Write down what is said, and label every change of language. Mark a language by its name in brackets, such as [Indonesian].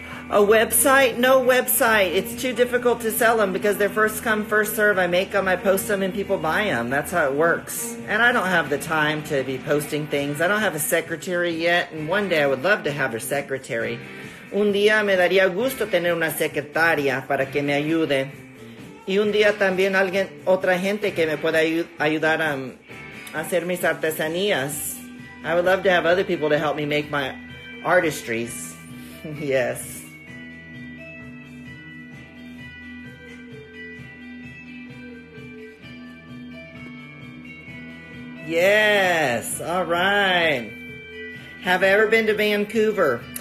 [English] A website? No website. It's too difficult to sell them because they're first come, first serve. I make them, I post them, and people buy them. That's how it works. And I don't have the time to be posting things. I don't have a secretary yet, and one day I would love to have a secretary. [Spanish] Un día me daría gusto tener una secretaria para que me ayude. Y un día también alguien, otra gente que me pueda ayudar a hacer mis artesanías. [English] I would love to have other people to help me make my artistries. Yes. Yes, all right. Have I ever been to Vancouver?